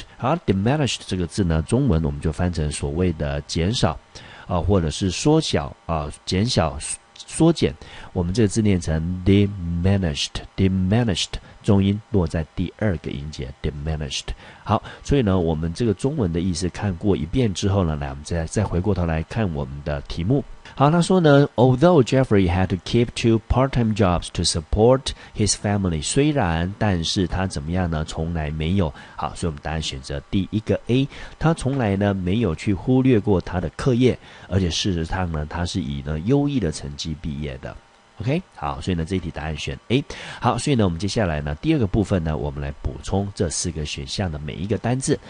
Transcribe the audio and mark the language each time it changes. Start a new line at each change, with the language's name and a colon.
Chinese: 好， diminished 这个字呢中文我们就翻成所谓的减少或者是缩小减小缩减，我们这个字念成 diminished。 diminished 重音落在第二个音节， diminished。好，所以呢我们这个中文的意思看过一遍之后呢，来，我们再回过头来看我们的题目。好，他说呢
English: although Jeffrey had to keep two part-time jobs to support his family，
Chinese: 虽然但是他怎么样呢，从来没有。好，所以我们答案选择第一个 A， 他从来呢没有去忽略过他的课业，而且事实上呢他是以呢优异的成绩毕业的。 OK， 好，所以呢这一题答案选 A。好，所以呢我们接下来呢第二个部分呢，我们来补充这四个选项的每一个单字。